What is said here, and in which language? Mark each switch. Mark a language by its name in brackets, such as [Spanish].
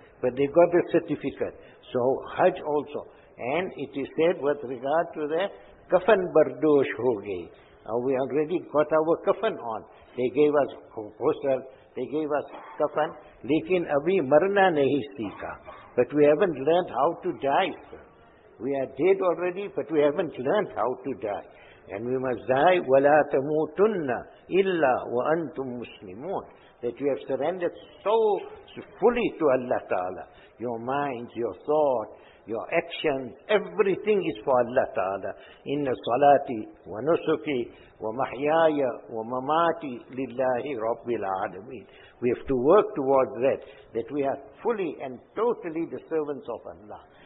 [English] But they got the certificate. So Hajj also. And it is said with regard to the [Urdu] kafan bardosh ho gayi. [English] Now we already got our kafan on. They gave us ghusl, they gave us kafan. [Urdu] Lekin abhi marna nahi seekha. [English] But we haven't learned how to die. We are dead already, but we haven't learned how to die. And we must die, [Arabic] وَلَا تَمُوتُنَّ إِلَّا وَأَنْتُمْ مُسْلِمُونَ. [English] That you have surrendered so fully to Allah Ta'ala. Your minds, your thought, your actions, everything is for Allah Ta'ala. [Arabic] إِنَّ صَلَاتِ وَنُسُكِ وَمَحْيَايَ وَمَمَاتِ لِلَّهِ رَبِّ الْعَالَمِينَ. [English] We have to work towards that we are fully and totally the servants of Allah.